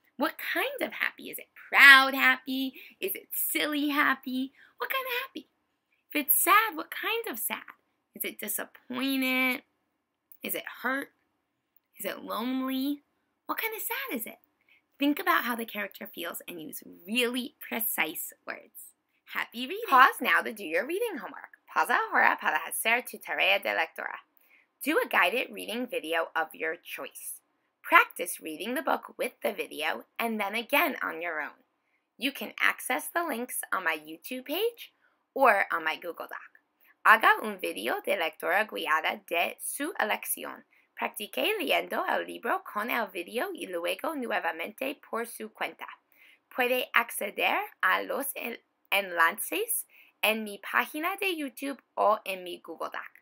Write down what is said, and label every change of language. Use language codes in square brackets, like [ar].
[en] What kind of happy? Is it proud happy? Is it silly happy? What kind of happy? If it's sad, what kind of sad? Is it disappointed? Is it hurt? Is it lonely? What kind of sad is it? Think about how the character feels and use really precise words. Happy reading. Pause now to do your reading homework. [es] Pause ahora para hacer tu tarea de lectura. [en] Do a guided reading video of your choice. Practice reading the book with the video and then again on your own. You can access the links on my YouTube page or on my Google Doc. [es] Haga un video de lectura guiada de su elección. Practique leyendo el libro con el video y luego nuevamente por su cuenta. Puede acceder a los enlaces en mi página de YouTube o en mi Google Doc.